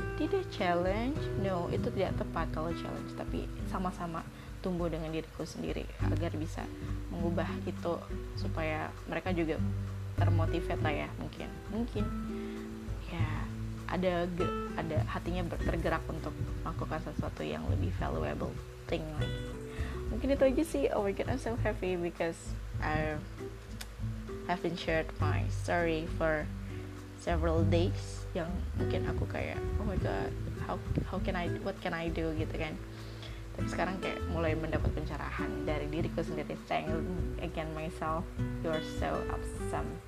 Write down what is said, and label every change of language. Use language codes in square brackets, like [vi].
[id] Tidak challenge, no, itu tidak tepat kalau challenge, tapi sama-sama tumbuh dengan diriku sendiri agar bisa mengubah itu supaya mereka juga termotivate lah ya, mungkin ya ada hatinya tergerak untuk melakukan sesuatu yang lebih [en] valuable thing [id] lagi. Mungkin itu aja sih. [en] Oh my god, I'm so happy because I have been shared my story for several days [id] yang mungkin aku kayak, [en] oh my god, what can I do [id] gitu kan. Tapi sekarang kayak mulai mendapat pencerahan dari diriku sendiri. [en] Thank you again myself, you're so awesome.